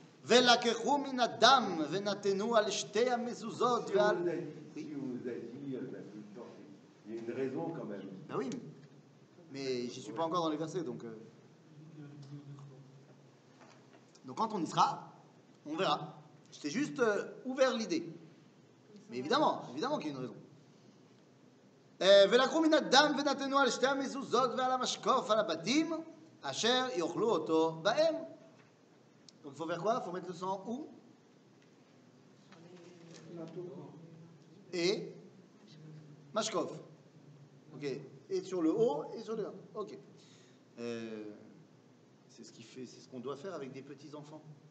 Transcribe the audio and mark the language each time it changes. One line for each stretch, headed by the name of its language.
Hebrew: ולקחו מן הדם ונתנו על שתי המזוזות ועל...
French: Si on vous a dit, il y a une raison quand même. Ben oui, mais je ne suis pas encore dans les versets, donc... Donc quand on y sera, on verra. Je t'ai juste ouvert l'idée. Mais évidemment qu'il y a une raison.
Hebrew: ולקחו מן הדם ונתנו על שתי המזוזות ועל המשקוף על הבתים אשר יאכלו אותו בהם.
French: Donc il faut faire quoi ? Il faut mettre le sang où ? Et ? Mashkov. Ok. Et sur le haut et sur le bas. Ok. C'est ce qu'on doit faire avec des petits enfants.